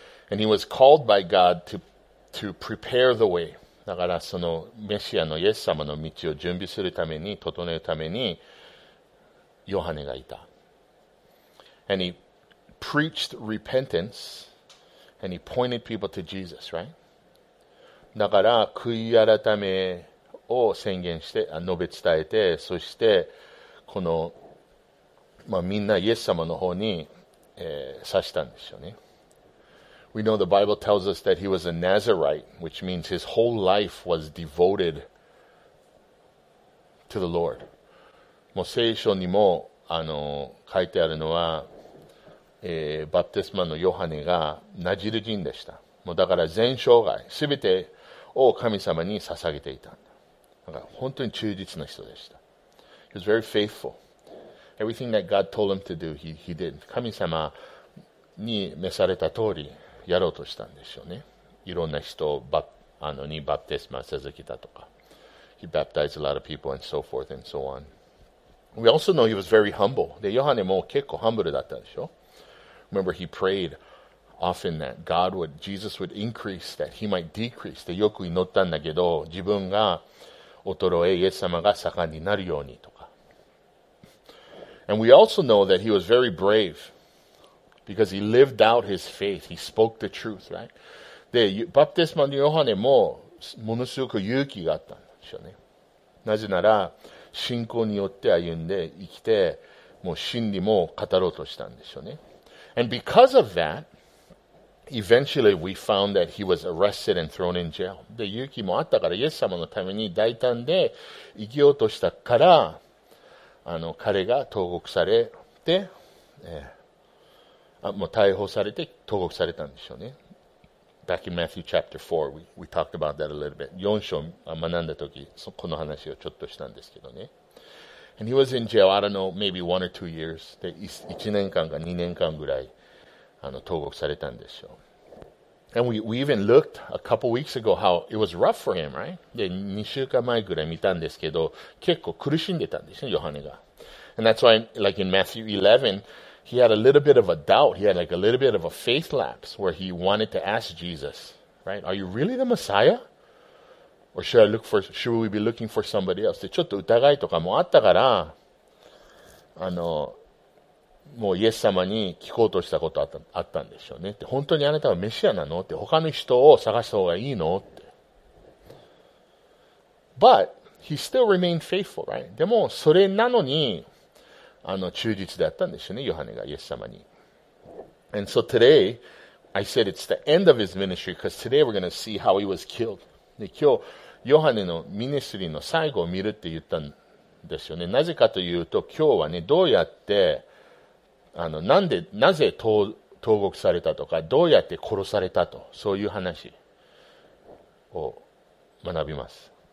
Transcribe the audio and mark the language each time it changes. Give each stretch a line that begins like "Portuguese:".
English: And he was called by God to prepare the way.
Japanese: だからそのメシアのイエス様の道を準備するために、整えるために、ヨハネがいた。
English: And he preached repentance and he pointed people to Jesus, right?
Japanese: だから悔い改め、を宣言して述べ伝えて、そしてこの、みんなイエス様の方に、指したんですよね。
English: We know the Bible tells us that he was a Nazarite, which means his whole life was devoted to the Lord.
Japanese: もう聖書にも書いてあるのは、バプテスマのヨハネがナジル人でした。もうだから全生涯全てを神様に捧げていた。本当に忠実な人でした。
English: He was very faithful. Everything that God told him to do, he did.
Japanese: 神様に召された通りやろうとしたんでしょうね。いろんな人をバプテスマを授けたとか。
English: He baptized a lot of people and so forth and so on. We also know he was very humble.
Japanese: で、ヨハネも結構ハンブルだったでしょ。
English: Remember, he prayed often that God would, Jesus would increase, that he might decrease.
Japanese: で、よく祈ったんだけど、自分が衰え、イエス様が盛んになるようにとか。
English: And we also know that he was very brave because he lived out his faith. He spoke the truth, right?
Japanese: で、バプテスマのヨハネもものすごく勇気があったんでしょうね。なぜなら、信仰によって歩んで生きて、もう真理も語ろうとしたんでしょうね。
English: And because of that, eventually we found that he was arrested and thrown in jail.
Japanese: で、勇気もあったから、イエス様のために大胆で生きようとしたから、彼が投獄されて、もう逮捕されて投獄されたんでしょうね。
English: Back in Matthew chapter 4, we talked about that a little bit.
Japanese: 4章学んだ時、この話をちょっとしたんですけどね。
English: And he was in jail, I don't know, maybe one or two years.
Japanese: で、1年間か2年間ぐらい。投獄されたんでしょう。
English: And we even looked a couple weeks ago how it was rough for him, right?
Japanese: で、2週間前ぐらい見たんですけど、結構苦しんでたんですよ、ヨハネが。
English: And that's why, like in Matthew 11, he had a little bit of a doubt. He had like a little bit of a faith lapse where he wanted to ask Jesus, right? Are you really the Messiah? Or should we be looking for somebody else?
Japanese: で、ちょっと疑いとかもあったから、もうイエス様に聞こうとしたことあったんでしょうね。で、本当にあなたはメシアなのって、他の人を探した方がいいのって。
English: But, he still remained faithful, right?
Japanese: でも、それなのに、忠実であったんでしょうね、ヨハネがイエス様に。
English: And so today, I said it's the end of his ministry, because today we're going to see how he was killed.
Japanese: で、今日、ヨハネのミニストリーの最後を見るって言ったんですよね。なぜかというと、今日はね、どうやって、なぜ投獄されたとか、どうやって殺されたと、そういう話を学びます。